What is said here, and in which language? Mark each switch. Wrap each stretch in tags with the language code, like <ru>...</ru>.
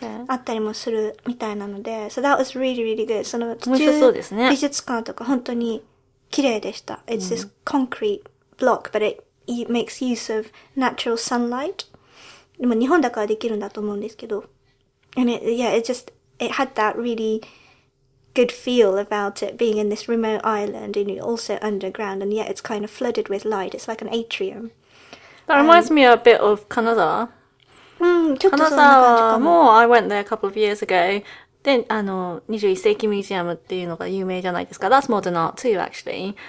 <ja>あったりもするみたいなので。 So that was really, really good. その途中、面白そうですね。美術館とか本当に綺麗でした。</ja> <en>It's this concrete block, but it makes use of natural sunlight.</en> <ja>でも日本だからできるんだと思うんですけど。</ja> <en>And it, yeah, it just, it had that really,good feel about it being in this remote island and also underground and yet it's kind of flooded with light. It's like an atrium. That reminds me a bit of Kanada. Kanazawa も I went there a couple of years ago. Then,</en> <ja>あの、21世紀ミュージアムっていうのが有名じゃないですか。</ja> <en>That's modern art too, actually.</en>